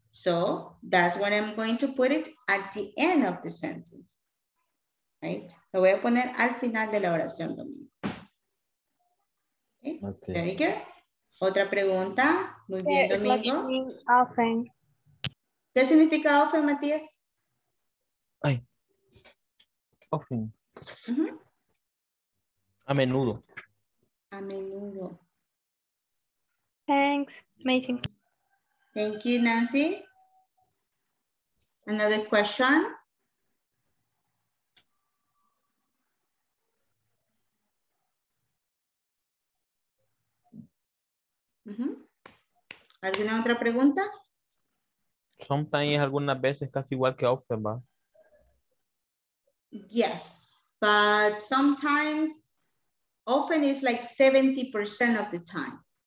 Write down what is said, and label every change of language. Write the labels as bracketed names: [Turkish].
[English] So that's what I'm going to put it at the end of the sentence. Right? [Spanish] Lo voy a poner al final de la oración, Domingo. [English] Okay. Very good. [Spanish] Otra pregunta. Muy bien, Domingo. [English] Often. [Spanish] ¿Qué significa often, Matías? Ay. Often. Uh-huh. A menudo. A menudo. [English] Thanks. Amazing. Thank you, Nancy. Another question. [Spanish] Uh-huh. ¿Alguna otra pregunta? Sometimes, algunas veces, casi igual que often, ¿va? [English] Yes, but sometimes, often is like 70% of the time.